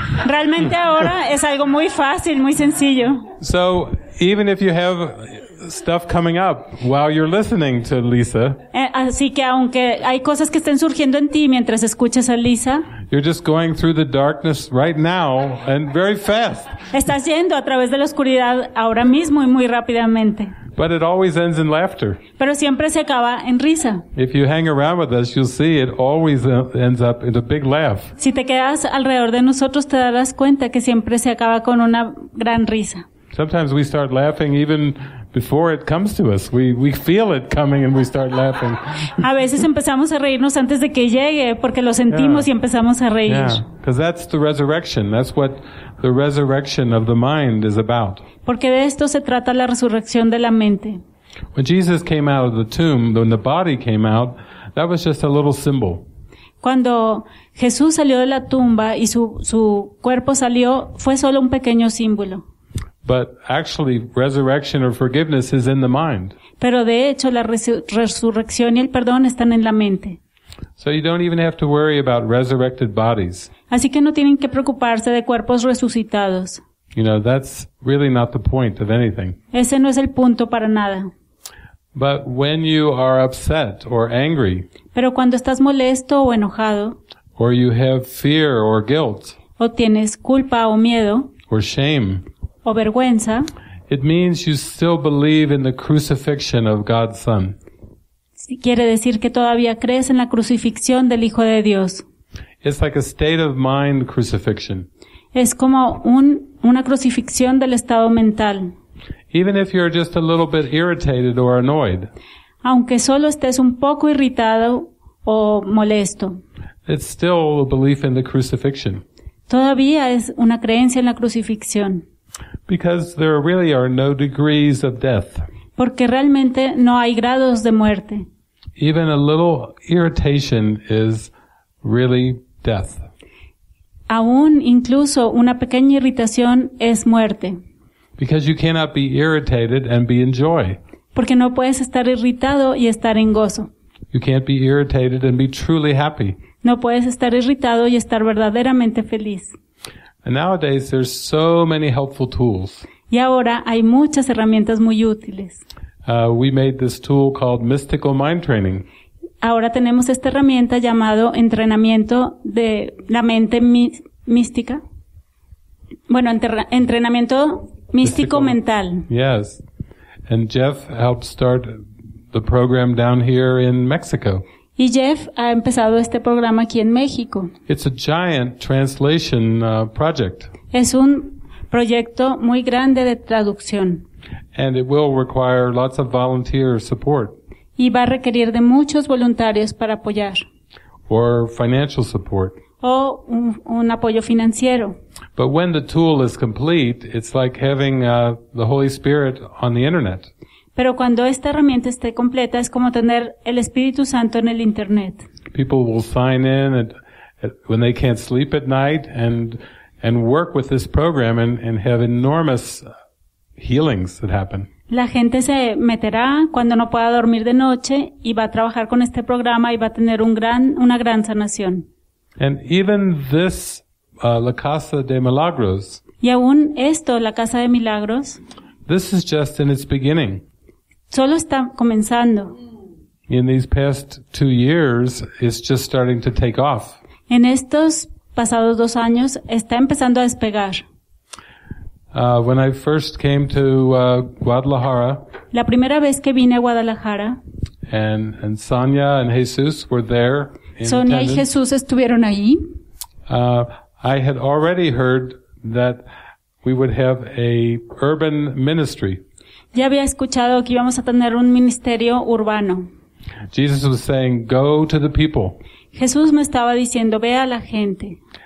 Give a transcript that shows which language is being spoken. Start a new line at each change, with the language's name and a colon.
Spanish: Realmente ahora es algo muy fácil, muy sencillo.
English: So even if you have stuff coming up while you're listening to Lisa.
Spanish: Así que aunque hay cosas que estén surgiendo en ti mientras escuchas a Lisa.
English: You're just going through the darkness right now and very fast.
Spanish: Estás yendo a través de la oscuridad ahora mismo y muy rápidamente.
English: But it always ends in laughter.
Spanish: Pero siempre se acaba en risa.
English: If you hang around with us, you'll see it always ends up in a big laugh.
Spanish: Si te quedas alrededor de nosotros, te darás cuenta que siempre se acaba con una gran risa.
English: Sometimes we start laughing even before it comes to us. We feel it coming and we start laughing.
Spanish: A veces empezamos a reírnos antes de que llegue porque lo sentimos y empezamos a reír.
English: Yeah, because that's the resurrection. That's what the resurrection of the mind is about.
Spanish: Porque de esto se trata la resurrección de la mente.
English: When Jesus came out of the tomb, when the body came out, that was just a little symbol.
Spanish: Cuando Jesús salió de la tumba y su cuerpo salió, fue solo un pequeño símbolo.
English: But actually, resurrection or forgiveness is in the mind.
Spanish: Pero de hecho, la resurrección y el perdón están en la mente.
English: So you don't even have to worry about resurrected bodies.
Spanish: Así que no tienen que preocuparse de cuerpos resucitados.
English: You know, that's really not the point of anything.
Spanish: Ese no es el punto para nada.
English: But when you are upset or angry.
Spanish: Pero cuando estás molesto o enojado.
English: Or you have fear or guilt.
Spanish: O tienes culpa o miedo.
English: Or shame.
Spanish: O vergüenza.
English: It means you still believe in the crucifixion of God's Son.
Spanish: Quiere decir que todavía crees en la crucifixión del Hijo de Dios.
English: It's like a state of mind crucifixion.
Spanish: Es como una crucifixión del estado mental.
English: Even if you're just a little bit irritated or annoyed.
Spanish: Aunque solo estés un poco irritado o molesto.
English: It's still a belief in the crucifixion.
Spanish: Todavía es una creencia en la crucifixión.
English: Because there really are no degrees of death.
Spanish: Porque realmente no hay grados de muerte.
English: Even a little irritation is really death.
Spanish: Aún incluso una pequeña irritación es muerte.
English: Because you cannot be irritated and be in joy.
Spanish: Porque no puedes estar irritado y estar en gozo.
English: You can't be irritated and be truly happy.
Spanish: No puedes estar irritado y estar verdaderamente feliz.
English: And nowadays there's so many helpful tools.
Spanish: Y ahora hay muchas herramientas muy útiles.
English: We made this tool called Mystical Mind Training.
Spanish: Ahora tenemos esta herramienta llamado entrenamiento de la mente mística. Bueno, entrenamiento místico mental.
English: Yes. And Jeff helped start the program down here in Mexico.
Spanish: Y Jeff ha empezado este programa aquí en México.
English: It's a giant translation project.
Spanish: Es un proyecto muy grande de traducción.
English: And it will require lots of volunteer support.
Spanish: Y va a requerir de muchos voluntarios para apoyar.
English: Or financial support.
Spanish: O un apoyo financiero.
English: But when the tool is complete, it's like having the Holy Spirit on the internet.
Spanish: Pero cuando esta herramienta esté completa, es como tener el Espíritu Santo en el Internet.
English: People will sign in when they can't sleep at night and work with this program and have enormous healings that happen.
Spanish: La gente se meterá cuando no pueda dormir de noche y va a trabajar con este programa y va a tener una gran sanación.
English: And even this, La Casa de Milagros.
Spanish: Y aún esto, La Casa de Milagros.
English: This is just in its beginning.
Spanish: Solo está comenzando.
English: In these past 2 years, it's just starting to take off.
Spanish: En estos pasados 2 años, está empezando a despegar.
English: When I first came to Guadalajara.
Spanish: La primera vez que vine a Guadalajara.
English: And Sonia and Jesus were there.
Spanish: Sonia y Jesús estuvieron allí.
English: I had already heard that we would have a urban ministry.
Spanish: Ya había escuchado que íbamos a tener un ministerio urbano.
English: Jesus was saying, "Go to the people."
Spanish: Jesús me estaba diciendo, "Ve a la gente."